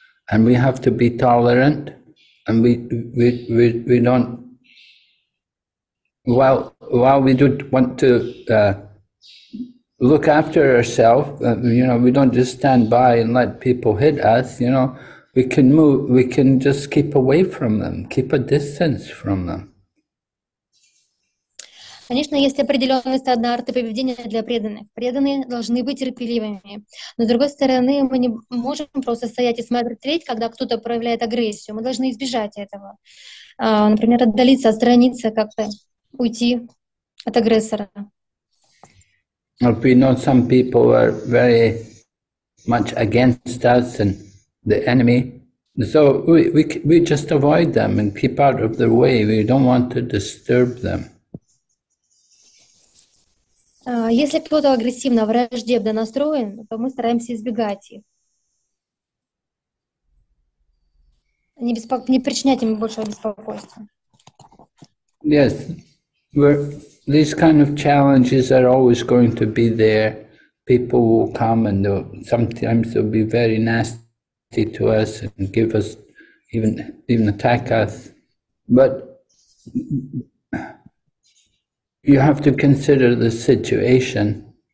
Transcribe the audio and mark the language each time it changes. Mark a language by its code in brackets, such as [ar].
[en] And we have to be tolerant, and we don't, while we do want to look after ourselves, you know, we don't just stand by and let people hit us, you know, we can move, we can just keep away from them, keep a distance from them. [ru] Конечно, есть определенные стандарты поведения для преданных. Преданные должны быть терпеливыми. Но, с другой стороны, мы не можем просто стоять и смотреть, когда кто-то проявляет агрессию. Мы должны избежать этого. Например, отдалиться, отстраниться как-то, уйти от агрессора. [en] We know some people are very much against us and the enemy. So we just avoid them and keep out of their way. We don't want to disturb them. [ru] Если кто-то агрессивно, враждебно настроен, то мы стараемся избегать их. Не причинять им большего беспокойства. [en] Yes. These kind of challenges are always going to be there. People will come and sometimes they'll be very nasty to us and give us, even attack us. But you have to consider the situation.